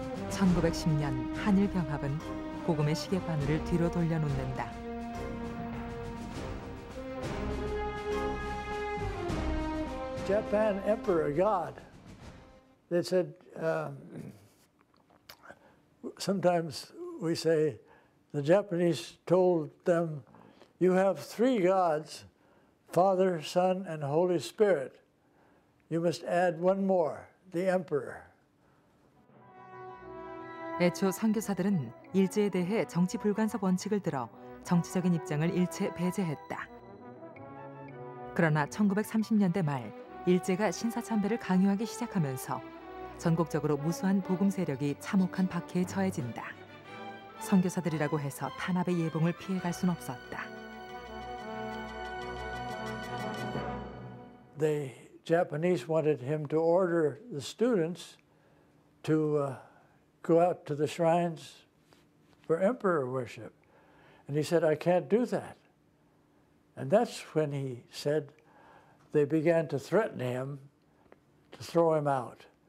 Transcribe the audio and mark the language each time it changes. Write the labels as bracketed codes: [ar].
[ko] 1910년 한일 병합은 고금의 시계바늘을 뒤로 돌려놓는다. [en] 재팬 emperor god they said sometimes we say the Japanese told them you have three gods father son and holy spirit you must add one more the emperor [ko] 애초 선교사들은 일제에 대해 정치 불간섭 원칙을 들어 정치적인 입장을 일체 배제했다. 그러나 1930년대 말 일제가 신사참배를 강요하기 시작하면서 전국적으로 무수한 복음 세력이 참혹한 박해에 처해진다. 선교사들이라고 해서 탄압의 예봉을 피해갈 순 없었다. [en] The Japanese wanted him to order the students to go out to the shrines for emperor worship. And he said, I can't do that. And that's when he said they began to threaten him to throw him out.